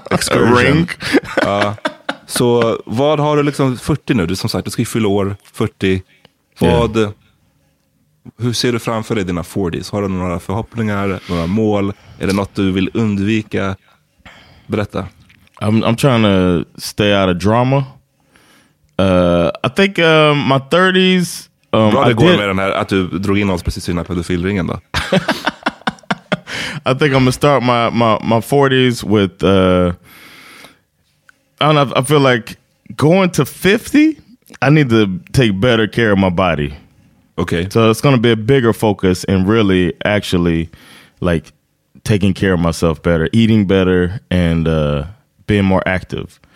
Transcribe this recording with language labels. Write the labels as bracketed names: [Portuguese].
[Swedish] ring. Så vad har du liksom 40 nu? Du som sagt, du ska ju fylla år 40. Vad, hur ser du framför dig dina 40s? Har du några förhoppningar, några mål? Är det något du vill undvika? Berätta. [English] I'm trying to stay out of drama. I think my 30s... [Swedish] Bra det går med den här, att du drog in oss precis i den här pedofilringen då. [English] I think I'm gonna start my 40s with... I feel like going to 50, I need to take better care of my body. Okay. So it's going to be a bigger focus and really actually like taking care of myself better, eating better and being more active.